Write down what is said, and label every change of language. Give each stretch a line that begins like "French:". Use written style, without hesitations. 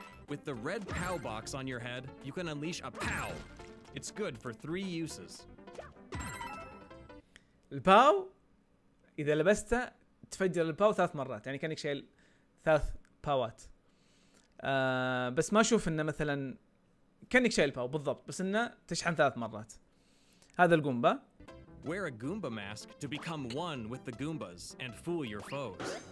English: With the red POW box on your head, you can unleash a POW. It's good for 3 uses.
Arabic: الباو إذا لبسته تفجر الباو ثلاث مرات، يعني كأنك شايل ثلاث باوات. بس ما أشوف إنه مثلا كأنك شايل باو بالضبط، بس إنه تشحن ثلاث مرات. هذا القومبا.
English: Wear a Goomba mask to become one with the Goombas and fool your foes.